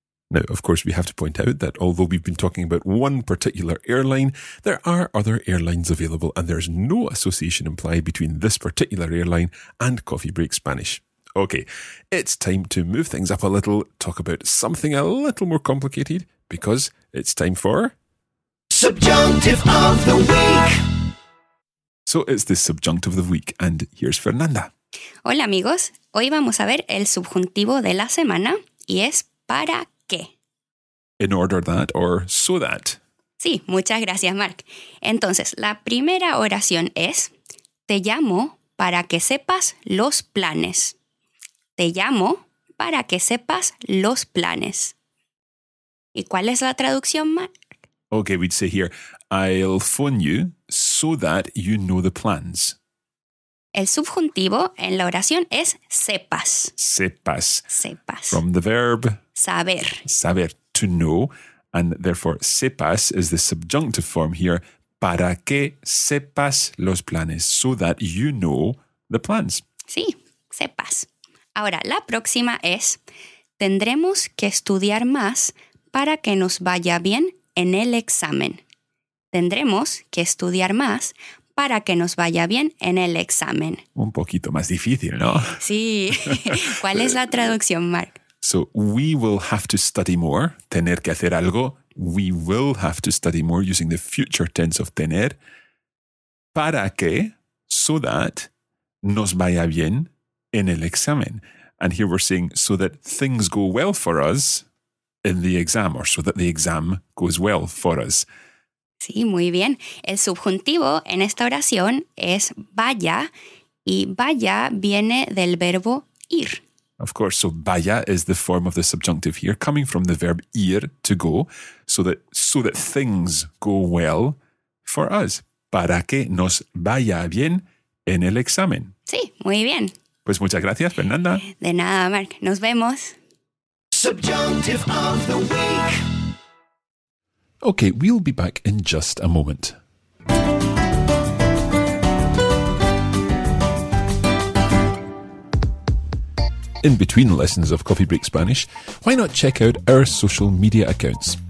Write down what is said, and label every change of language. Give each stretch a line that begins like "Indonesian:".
English: Now, of course, we have to point out that although we've been talking about one particular airline, there are other airlines available and there's no association implied between this particular airline and Coffee Break Spanish. Okay, it's time to move things up a little, talk about something a little more complicated, because it's time for... Subjunctive of the Week! So it's the subjunctive of the week, and here's Fernanda.
Spanish: Hola amigos, hoy vamos a ver el subjuntivo de la semana, y es para qué.
English: In order that, or so that.
Spanish: Sí, muchas gracias, Mark. Entonces, la primera oración es, te llamo para que sepas los planes. Te llamo para que sepas los planes. ¿Y cuál es la traducción, Mark?
English: Okay, we'd say here, I'll phone you so that you know the plans.
Spanish: El subjuntivo en la oración es sepas. Sepas. Sepas.
English: From the verb...
Spanish: Saber. Saber,
English: to know. And therefore,
Spanish: sepas
English: is the subjunctive form here.
Spanish: Para que sepas los planes,
English: so that you know the plans.
Spanish: Sí, sepas. Ahora, la próxima es, tendremos que estudiar más para que nos vaya bien en el examen. Tendremos que estudiar más para que nos vaya bien en el examen. Un poquito más difícil, ¿no? Sí. ¿Cuál es la traducción, Mark?
English: So, we will have to study more.
Spanish: Tener que hacer algo.
English: We will have to study more, using the future tense of tener.
Spanish: Para que,
English: so that,
Spanish: nos vaya bien en el examen.
English: And here we're saying, so that things go well for us in the exam, or so that the exam goes well for us.
Spanish: Sí, muy bien. El subjuntivo en esta oración es vaya, y vaya viene del verbo ir.
English: Of course, so vaya is the form of the subjunctive here, coming from the verb ir, to go, so that things go well for us.
Spanish: Para que nos vaya bien en el examen. Sí, muy bien. Pues muchas gracias, Fernanda. De nada, Mark. Nos vemos.
English: Subjunctive of the Week. Okay, we'll be back in just a moment. In between lessons of Coffee Break Spanish, why not check out our social media accounts?